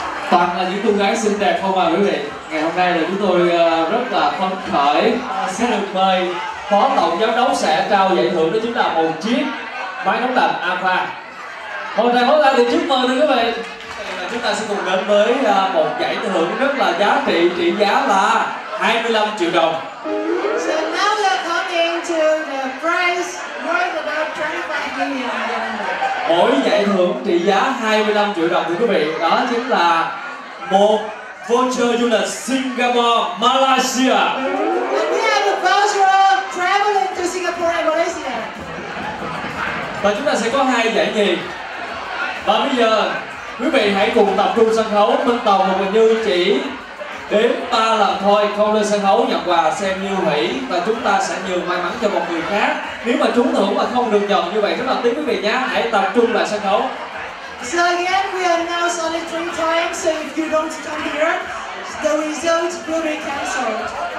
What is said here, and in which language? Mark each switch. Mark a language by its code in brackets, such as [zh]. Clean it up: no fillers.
[vi] Toàn là những cô gái xinh đẹp không à quý vị. Ngày hôm nay là chúng tôi rất là phấn khởi. Sẽ được mời phó tổng giám đốc sẽ trao giải thưởng cho chúng ta một chiếc máy nóng lạnh Aqua. Một tràng pháo tay để chúc mừng nha quý vị. Chúng ta sẽ cùng đến với một giải thưởng rất là giá trị giá là 25 triệu đồng. [en] So now we are coming to the prize worth about 25 million. [vi] Mỗi giải thưởng trị giá 25 triệu đồng thưa quý vị, đó chính là một voucher du lịch Singapore, Malaysia. [en] And we have a voucher traveling to Singapore and Malaysia. [vi] Và chúng ta sẽ có hai giải nhì. Và bây giờ quý vị hãy cùng tập trung sân khấu. Minh Tòng và Quỳnh Như chỉ đếm 3 lần thôi, không lên sân khấu nhận quà xem như hủy. Và chúng ta sẽ nhường may mắn cho một người khác nếu mà trúng thưởng mà không được nhận. Như vậy rất là tiếc quý vị nhé, hãy tập trung lại sân khấu. [en] So again, we announce only 3 times, so if you don't come here, the result will be cancelled.